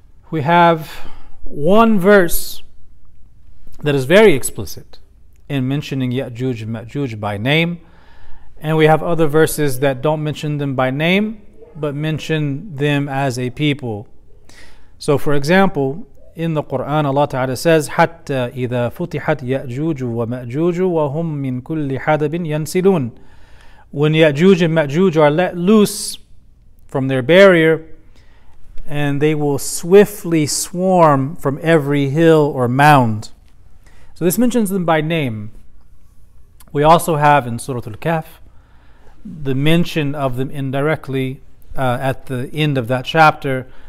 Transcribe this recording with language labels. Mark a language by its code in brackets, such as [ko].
[en] We have one verse that is very explicit in mentioning Ya'juj and Ma'juj by name, and we have other verses that don't mention them by name but mention them as a people. So for example, in the Quran, Allah Ta'ala says, [ar] حَتَّى إِذَا فُتِحَتْ يَأْجُوجُ وَمَأْجُوجُ وَهُمْ مِنْ كُلِّ حَدَبٍ يَنْسِلُونَ. [en] When Ya'juj and Ma'juj are let loose from their barrier, and they will swiftly swarm from every hill or mound. So this mentions them by name. We also have in Surah Al-Kahf the mention of them indirectly at the end of that chapter.